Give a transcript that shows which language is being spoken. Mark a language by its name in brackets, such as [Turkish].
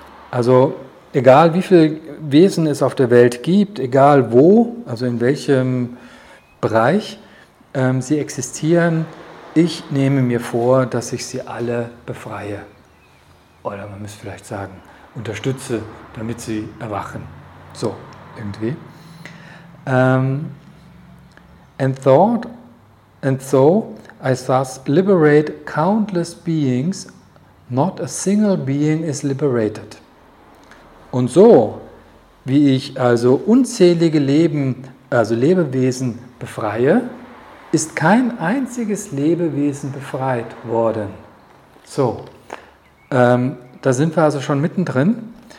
[German] Also egal wie viele Wesen es auf der Welt gibt, egal wo, also in welchem Bereich sie existieren, ich nehme mir vor, dass ich sie alle befreie. Oder man müsste vielleicht sagen, unterstütze, damit sie erwachen. So, irgendwie. [English] And so I thus liberate countless beings, not a single being is liberated. [German] Und so, wie ich also unzählige Leben, also Lebewesen befreie, ist kein einziges Lebewesen befreit worden. So, da sind wir also schon mittendrin.